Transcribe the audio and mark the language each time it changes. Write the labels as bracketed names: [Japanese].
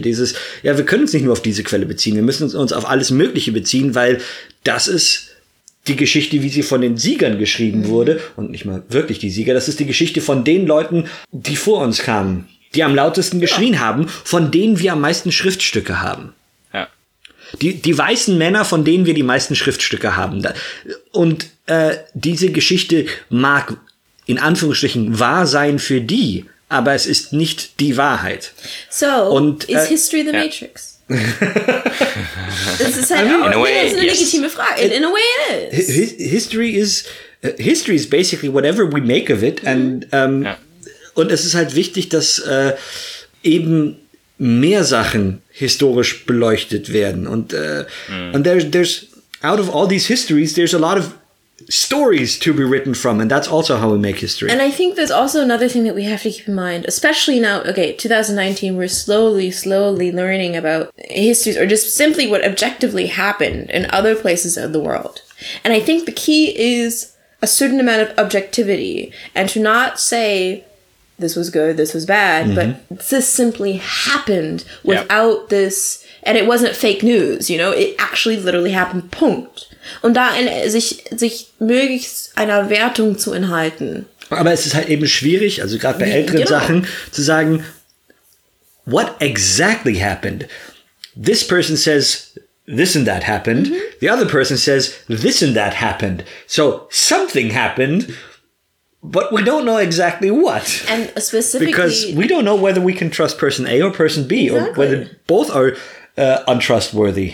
[German] Dieses, ja, wir können uns nicht nur auf diese Quelle beziehen, wir müssen uns auf alles Mögliche beziehen, weil das ist die Geschichte, wie sie von den Siegern geschrieben wurde und nicht mal wirklich die Sieger, das ist die Geschichte von den Leuten, die vor uns kamen, die am lautesten geschrien haben, von denen wir am meisten Schriftstücke haben. Die weißen Männer, von denen wir die meisten Schriftstücke haben. Und diese Geschichte mag in Anführungsstrichen wahr sein für die, aber es ist nicht die Wahrheit. [English] So, [German] und, [English] is history the Matrix? [German] Das ist halt auch eine legitime Frage. [English] In a way it is. History is basically whatever we make of it. [German] Und es ist halt wichtig, dass eben mehr Sachen historisch beleuchtet werden. Und [English] and there's out of all these histories, there's a lot of stories to be written from. And that's also how we make history. And I think there's also another thing that we have to keep in mind, especially now, okay, 2019, we're slowly learning about histories or just simply what objectively happened in other places of the world. And I think the key is a certain amount of objectivity and to not say this was good, this was bad, but this simply happened without this, and it wasn't fake news, you know, it actually literally happened, Punkt. [German] Und da sich möglichst einer Wertung zu enthalten. Aber es ist halt eben schwierig, also gerade bei älteren Sachen, zu sagen, [English] what exactly happened? This person says this and that happened. The other person says this and that happened. So something happened, but we don't know exactly what. And specifically, because we don't know whether we can trust person A or person B, or whether both are untrustworthy.